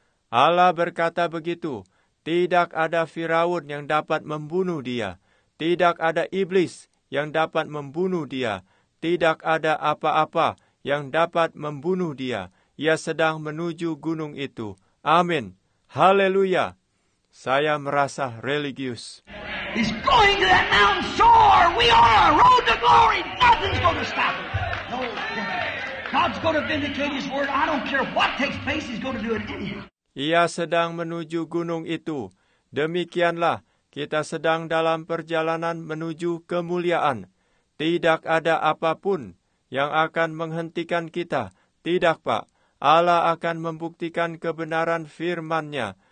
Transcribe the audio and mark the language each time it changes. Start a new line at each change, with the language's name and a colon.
Indonesian: Allah berkata begitu. Tidak ada Firaun yang dapat membunuh dia. Tidak ada iblis yang dapat membunuh dia. Tidak ada apa-apa yang dapat membunuh dia. Ia sedang menuju gunung itu. Amin. Haleluya. Saya merasa religius.
English: He's going to that mountain. So are we on our road to glory. Nothing's going to stop him. No. God's going to vindicate his word. I don't care what takes place. He's going to do it anyhow.
Indonesian: Ia sedang menuju gunung itu. Demikianlah, kita sedang dalam perjalanan menuju kemuliaan. Tidak ada apapun yang akan menghentikan kita. Tidak, Pak. Allah akan membuktikan kebenaran firman-Nya.